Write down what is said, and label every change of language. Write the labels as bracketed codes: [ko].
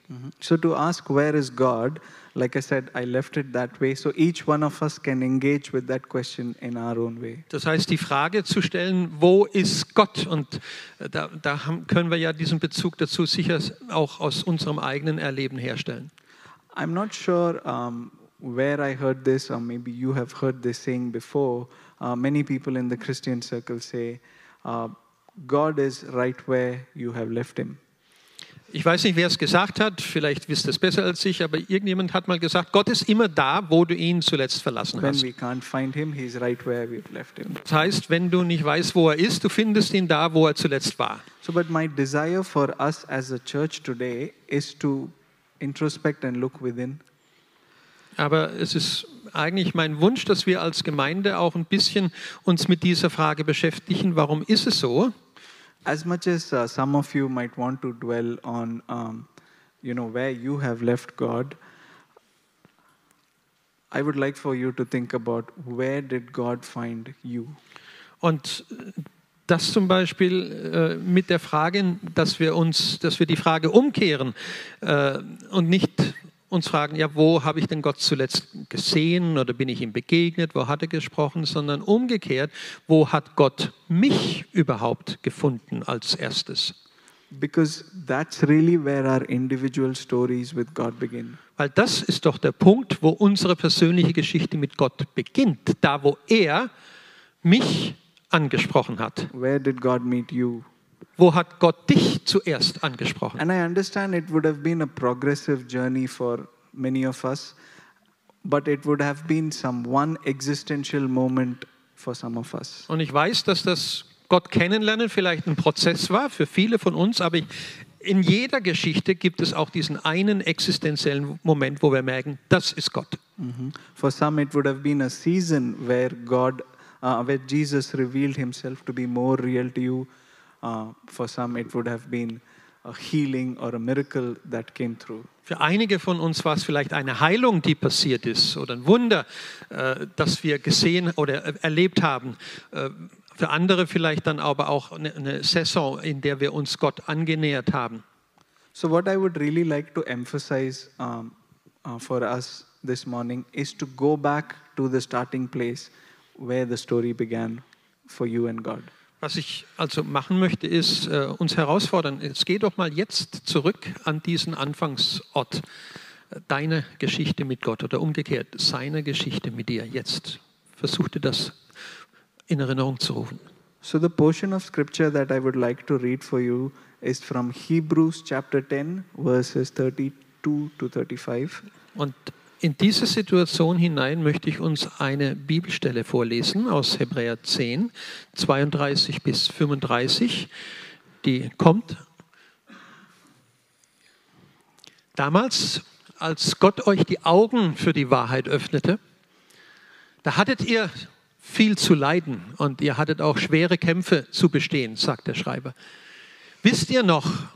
[en] Mm-hmm. So to ask where is God, like I said, I left it that way, so each one of us can engage with that question in our own way. [de] Das heißt, die Frage zu stellen, wo ist Gott? Und da können wir ja diesen Bezug dazu sicher auch aus unserem eigenen Erleben herstellen. [en] I'm not sure where I heard this, or maybe you have heard this saying before. Many people in the Christian circle say, God is right where you have left him. [de] Ich weiß nicht, wer es gesagt hat, vielleicht wisst es besser als ich, aber irgendjemand hat mal gesagt, Gott ist immer da, wo du ihn zuletzt verlassen hast. [en] When we can't find him, he's right where we've left him. [de] Das heißt, wenn du nicht weißt, wo er ist, du findest ihn da, wo er zuletzt war. [en] So, but my desire for us as a church today is to introspect and look within. [de] Aber es ist eigentlich mein Wunsch, dass wir als Gemeinde auch ein bisschen uns mit dieser Frage beschäftigen, warum ist es so? [en] As much as some of you might want to dwell on where you have left God, I would like for you to think about where did God find you. [de] Und das zum Beispiel mit der Frage, dass wir die Frage umkehren und nicht uns fragen, ja, wo habe ich denn Gott zuletzt gesehen oder bin ich ihm begegnet, wo hat er gesprochen, sondern umgekehrt, wo hat Gott mich überhaupt gefunden als erstes? [en] Because that's really where our individual stories with God begin. [de] Weil das ist doch der Punkt, wo unsere persönliche Geschichte mit Gott beginnt, da wo er mich angesprochen hat. [en] Where did God meet you? [de] Wo hat Gott dich zuerst angesprochen? [en] And I understand it would have been a progressive journey for many of us, but it would have been some one existential moment for some of us. [de] Und ich weiß, dass das Gott kennenlernen vielleicht ein Prozess war für viele von uns, aber in jeder Geschichte gibt es auch diesen einen existenziellen Moment, wo wir merken, das ist Gott. Mm-hmm. [en] For some it would have been a season where God where Jesus revealed himself to be more real to you. For some it would have been a healing or a miracle that came through. [de] Für einige von uns war es vielleicht eine Heilung, die passiert ist, oder ein Wunder, das wir gesehen oder erlebt haben. Für andere vielleicht dann aber auch eine Saison, in der wir uns Gott angenähert haben. [en] So what I would really like to emphasize for us this morning is to go back to the starting place where the story began for you and God. [de] Was ich also machen möchte, ist uns herausfordern. Jetzt geh doch mal jetzt zurück an diesen Anfangsort. Deine Geschichte mit Gott oder umgekehrt, seine Geschichte mit dir jetzt. Versuch dir das in Erinnerung zu rufen. [en] So the portion of scripture that I would like to read for you is from Hebrews chapter 10, verses 32-35. [de] Und in diese Situation hinein möchte ich uns eine Bibelstelle vorlesen aus Hebräer 10, 32-35. Die kommt. Damals, als Gott euch die Augen für die Wahrheit öffnete, da hattet ihr viel zu leiden und ihr hattet auch schwere Kämpfe zu bestehen, sagt der Schreiber. Wisst ihr noch,